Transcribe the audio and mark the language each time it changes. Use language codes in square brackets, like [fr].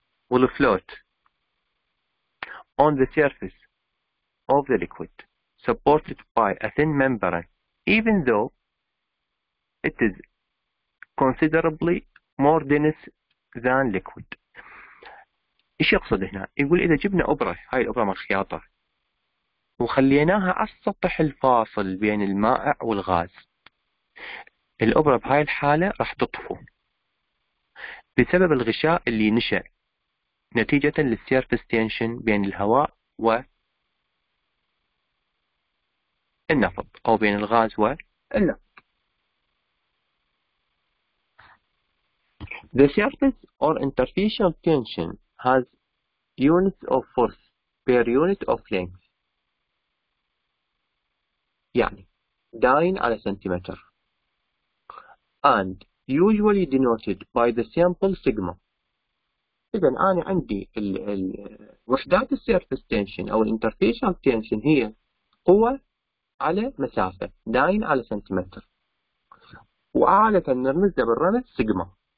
[en] Will float on the surface of the liquid, supported by a thin membrane, even though it is considerably more dense than liquid. [ar] إيش يقصد هنا؟ يقول إذا جبنا أبرة، هاي الأبرة مال خياطة، وخليناها على السطح الفاصل بين المائع والغاز، الأبرة بهاي الحالة راح تطفو بسبب الغشاء اللي نشأ نتيجة للسيرفس تنشن بين الهواء و النفط، أو بين الغاز و النفط. [en] The surface or interfacial tension has units of force per unit of length. [ar] يعني داين على سنتيمتر. [en] And usually denoted by the simple sigma. [ar] إذا أنا عندي وحدات السيرفس تنشن أو الانترفيشال تنشن هي قوة على مسافة داين على سنتيمتر، وعادة نرمزها بالرمز سيجما.